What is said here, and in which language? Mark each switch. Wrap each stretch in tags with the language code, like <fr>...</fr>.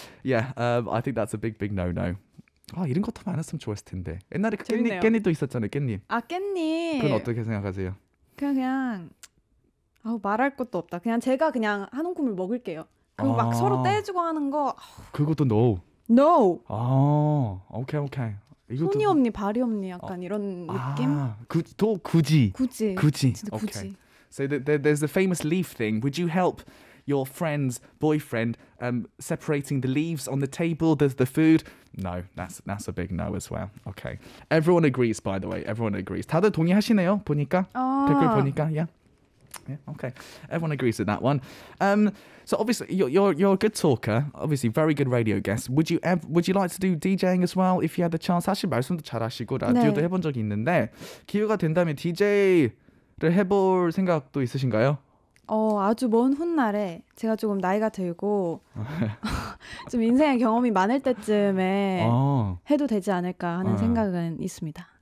<en>Yeah, I think that's a big, big no-no.</en> <ko>아, 이런 것도 많았으면 좋았을 텐데. 옛날에 깻잎도 있었잖아요, 깻잎. 아, 깻잎. 그건 어떻게 생각하세요? 그냥 아우, 말할 것도 없다. 그냥 제가 그냥 한 움큼을 먹을게요. 그리고 막 서로 떼주고 하는 거. 그것도</ko> <en>no. No.</en> <ko>아, 오케이, 오케이. 이것도... 손이 없니, 발이 없니, 약간 이런 느낌? 아, 또 굳이. 굳이. 굳이. 진짜 굳이.</ko> <en>Okay. So there's the famous leaf thing. Would you help your friend's boyfriend separating the leaves on the table, the food? No, that's a big no as well. Okay. Everyone agrees, by the way. Everyone agrees.</en> <ko>다들 동의하시네요, 보니까. 댓글 보니까,</ko> <en>yeah. Yeah, okay. Everyone agrees with that one. So obviously, you're a good talker. Obviously, very good radio guest. Would you like to do DJing as well if you had the chance?</en> <ko>사실 말씀도 잘하시고, 라디오도 네. 해본 적이 있는데, 기회가 된다면 DJ... 를 해볼 생각도 있으신가요? 아주 먼 훗날에 제가 조금 나이가 들고 좀 인생의 경험이 많을 때쯤에 해도 되지 않을까 하는 생각은 있습니다.</ko>